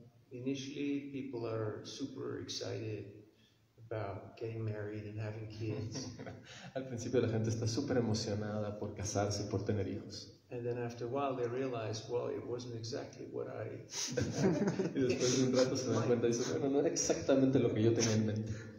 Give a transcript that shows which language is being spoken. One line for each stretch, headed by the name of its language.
English: Initially, people are super excited about getting married and having kids.
Spanish: Al principio, la gente está super emocionada por casarse y por tener hijos.
English: And then after a while they realize, well, it wasn't exactly what I...
Spanish: Y después de un rato se dan cuenta y dicen, bueno, no era exactamente lo que yo tenía en mente.